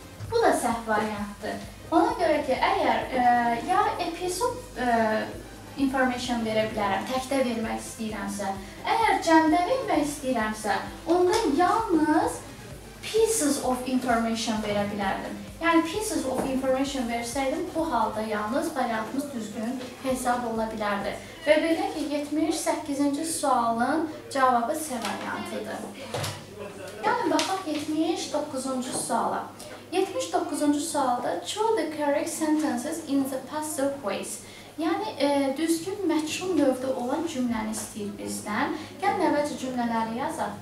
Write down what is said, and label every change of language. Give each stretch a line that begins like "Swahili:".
Azerbaijani: Bu da səhv variantdır. Ona görə ki, əgər ya episode information verə bilərəm, təkdə vermək istəyirəmsə, əgər cəmdə vermək istəyirəmsə, onda yalnız pieces of information verə bilərdim. Yəni, pieces of information versəydim, bu halda yalnız variantımız düzgün hesab ola bilərdi. Və belə ki, 78-ci sualın cavabı C variantıdır. Yəni, baxaq 79-cu suala. 79-cu sualda
English: choose the correct sentences in the passive voice.
Azerbaijani: Yəni, düzgün məçhul növdə olan cümləni istəyir bizdən. Gəlin əvvəlcə cümlələri yazaq.